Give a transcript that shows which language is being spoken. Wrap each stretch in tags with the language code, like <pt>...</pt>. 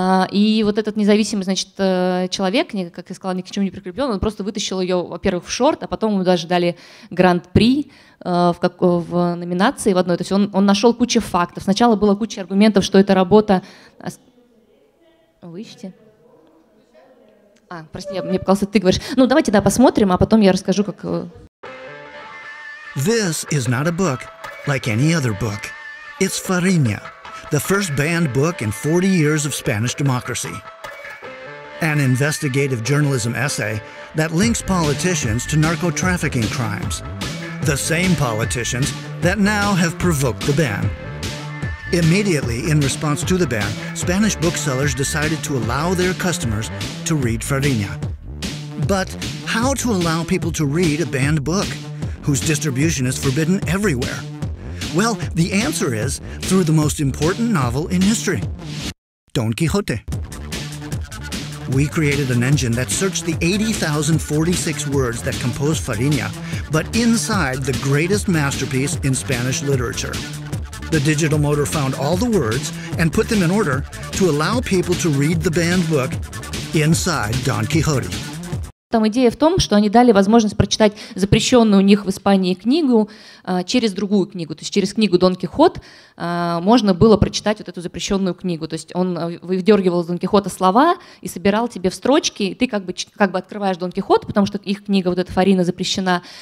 <ru>И вот этот независимый, значит, человек, как я сказала, ни к чему не прикреплен, он просто вытащил ее, во-первых, в шорт, а потом ему даже дали гран-при в номинации в одной. То есть он нашел кучу фактов. Сначала было куча аргументов, что эта работа... Вы ищете? А, прости, мне показалось, ты говоришь. Ну, давайте, да, посмотрим, а потом я расскажу, как...</ru> <en>This is not a book like any other book. It's Farina. The first banned book in 40 years of Spanish democracy. An investigative journalism essay that links politicians to narco-trafficking crimes. The same politicians that now have provoked the ban. Immediately in response to the ban, Spanish booksellers decided to allow their customers to read Farina. But how to allow people to read a banned book, whose distribution is forbidden everywhere? Well, the answer is through the most important novel in history, Don Quixote. We created an engine that searched the 80,046 words that compose Farina, but inside the greatest masterpiece in Spanish literature. The digital motor found all the words and put them in order to allow people to read the banned book inside Don Quixote.</en> <ru>Там идея в том, что они дали возможность прочитать запрещенную у них в Испании книгу через другую книгу. То есть через книгу «Дон Кихот» можно было прочитать вот эту запрещенную книгу. То есть он выдергивал из «Дон Кихота» слова и собирал тебе в строчки. И ты как бы открываешь «Дон Кихот», потому что их книга, вот эта «Фарина», запрещена.</ru>